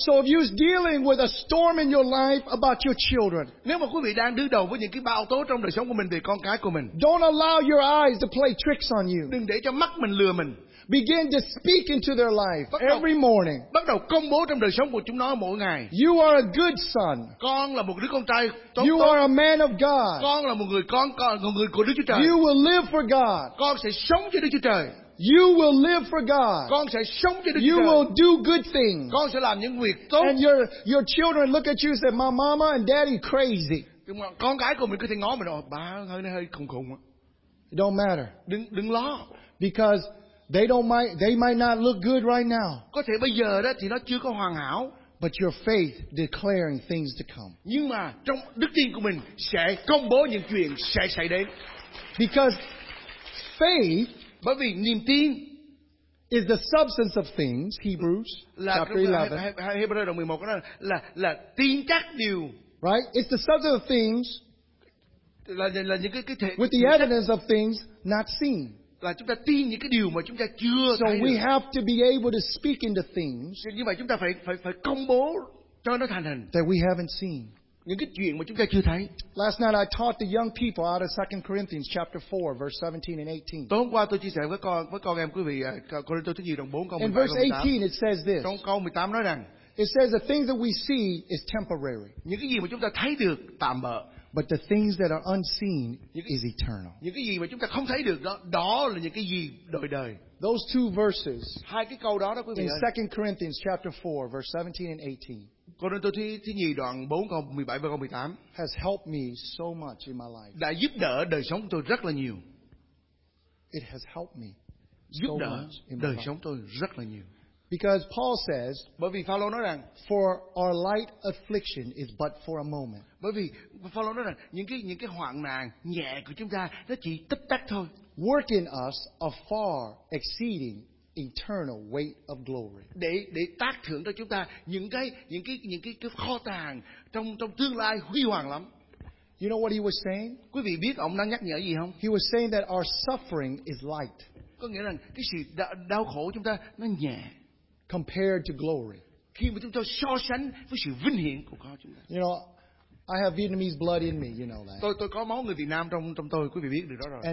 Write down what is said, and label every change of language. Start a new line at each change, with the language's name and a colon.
English: So if you're dealing with a storm in your life about your children,
Vietnamese: nếu mà quý vị đang đương đầu với những cái bão tố trong đời sống của mình về con cái của mình,
English: don't allow your eyes to play tricks on you.
Vietnamese: Đừng để cho mắt mình lừa mình.
English: Begin to speak into their life every morning.
Vietnamese: Bắt đầu công bố trong đời sống của chúng nó mỗi ngày.
English: You are a good son.
Vietnamese: Con là một đứa con trai tốt.
English: You are a man of God.
Vietnamese: Con là một người con người của Đức Chúa Trời.
English: You will live for God.
Vietnamese: Con sẽ sống cho Đức Chúa Trời.
English: You will live for God.
Vietnamese: Con sẽ sống cho Đức Chúa
English: You
Vietnamese: Trời.
English: Will do good things.
Vietnamese: Con sẽ làm những việc tốt.
English: And your children look at you and say, "My mama and daddy crazy."
Vietnamese: Con gái của mình có thể ngó mình nói, "Ba hơi nó hơi khùng khùng."
English: It don't matter.
Vietnamese: Đừng lo.
English: Because they might not look good right now.
Vietnamese: Có thể bây giờ đó thì nó chưa có hoàn hảo.
English: But your faith declaring things to come.
Vietnamese: Nhưng mà trong đức tin của mình sẽ công bố những chuyện sẽ xảy đến.
English: Because faith,
Vietnamese: bởi vì niềm tin
English: is the substance of things, Hebrews chapter 11.
Vietnamese: Hebrews 11 đó là tin chắc điều.
English: Right? It's the substance of things
Vietnamese: là những cái thể,
English: with the evidence of things not seen.
Vietnamese: Là chúng ta tin những cái điều mà chúng ta chưa
English: so
Vietnamese: thấy.
English: So we have to be able to speak into things.
Vietnamese: Như vậy chúng ta phải công bố cho nó thành hình.
English: That we haven't seen.
Vietnamese: Những cái chuyện mà chúng ta chưa thấy.
English: Last night I taught the young people out of 2 Corinthians chapter 4 verse 17 and 18.
Vietnamese: Tối hôm qua tôi chia sẻ với con em quý vị Corinto thứ nhì đoạn 4 câu 18.
English: In verse 18 it says this.
Vietnamese: Trong câu 18 nói rằng.
English: It says the things that we see is temporary.
Vietnamese: Những cái gì mà chúng ta thấy được tạm bợ.
English: But the things that are unseen is eternal.
Vietnamese: Những cái gì mà chúng ta không thấy được đó là những cái gì đời đời.
English: Those two verses.
Vietnamese: Hai cái câu đó quý vị
English: in 2 Corinthians chapter 4 verse 17 and 18.
Vietnamese: Corinto thứ nhì đoạn 4 câu 17 và câu 18
English: has helped me so much in my life.
Vietnamese: Đã giúp đỡ đời sống tôi rất là nhiều.
English: It has helped me.
Vietnamese: Giúp đỡ đời sống tôi rất là nhiều.
English: Because Paul says,
Vietnamese: bởi vì Phao-lô nói rằng,
English: for our light affliction is but for a moment.
Vietnamese: Bởi vì Phao-lô nói rằng những cái hoạn nạn nhẹ của chúng ta nó chỉ tích tắc thôi.
English: Working us a far exceeding eternal weight of glory.
Vietnamese: Để tác thưởng cho chúng ta những cái kho tàng trong tương lai huy hoàng lắm.
English: You know what he was saying?
Vietnamese: Quý vị biết ông đang nhắc nhở gì không?
English: He was saying that our suffering is light.
Vietnamese: Có nghĩa rằng cái sự đau khổ chúng ta nó nhẹ.
English: Compared to glory.
Vietnamese: Khi mà chúng ta so sánh với sự vinh hiển của con chúng ta.
English: You know, I have Vietnamese blood in me, you know that.
Vietnamese: Tôi có máu người Việt Nam trong tôi, quý vị biết điều đó rồi.